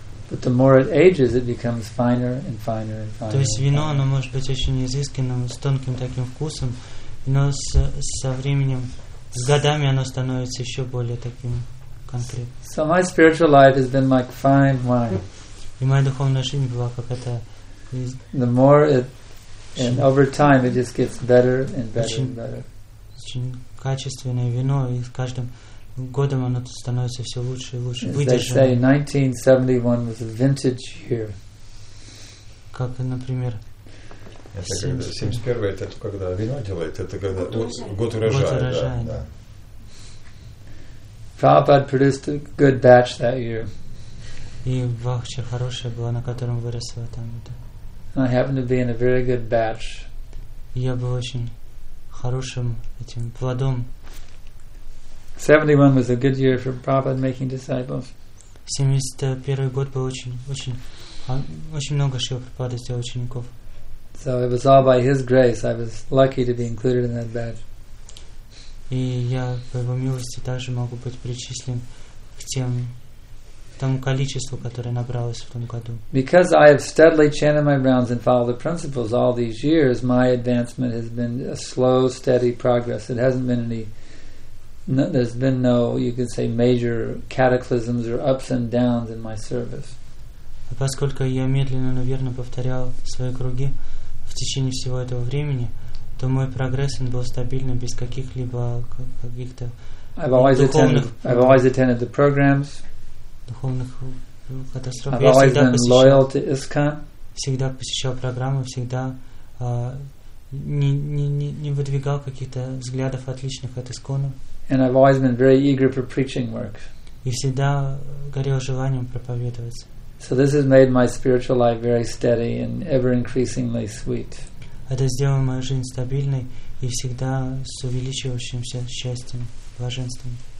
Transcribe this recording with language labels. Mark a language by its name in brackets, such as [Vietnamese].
[English] But the more it ages, it becomes finer and finer and finer. [Russian] То есть вино, оно может быть очень изысканным, с тонким таким вкусом, но со временем, с годами, оно становится еще более таким конкретным. [English] So my spiritual life has been like fine wine. [Russian] И моя духовная жизнь была как это. [English] The more it, and over time, it just gets better and better and better. [Russian] Очень качественное вино, и с каждым годом оно становится все лучше и лучше. [English] As they say, 1971 was a vintage year. [Russian] Как, например, это когда 71-й, это когда вино делает, это когда год урожая. Год урожая. Да. [English] Prabhupada produced a good batch that year. [Russian] И бахча хорошая была, на котором выросла там это. [English] I happened to be in a very good batch. [Russian] Я был очень хорошим этим плодом. [English] 71 was a good year for Prabhupada making disciples. [Russian] 71 год был очень много шил Прабхупады сделал учеников. [English] So it was all by His grace. I was lucky to be included in that batch. [Russian] И я по Его милости также могу быть причислен к тем тому количеству, которое набралось в том году. [English] Because I have steadily chanted my rounds and followed the principles all these years, my advancement has been a slow, steady progress. It hasn't been any. No, there's been no, you could say, major cataclysms or ups and downs in my service. [Russian] А поскольку я медленно, но верно повторял свои круги в течение всего этого времени, то мой прогресс он был стабильным без каких-либо каких-то [English] I've always attended the programs. [Russian] Духовных катастроф. [English] I've always been loyal to ISKCON. [Russian] Всегда посещал программы, всегда не выдвигал каких-то взглядов отличных от ISKCON. [English] And I've always been very eager for preaching work. [Russian] И всегда горел желанием проповедовать. [English] So this has made my spiritual life very steady and ever increasingly sweet. [Russian] Это сделало мою жизнь стабильной и всегда с увеличивающимся счастьем, блаженством.